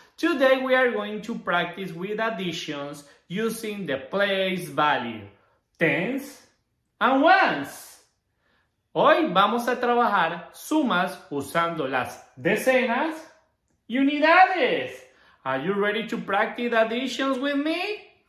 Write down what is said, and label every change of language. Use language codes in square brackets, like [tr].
[en] Today we are going to practice with additions using the place value, tens and ones. [es] Hoy vamos a trabajar sumas usando las decenas y unidades. [en] Are you ready to practice additions with me?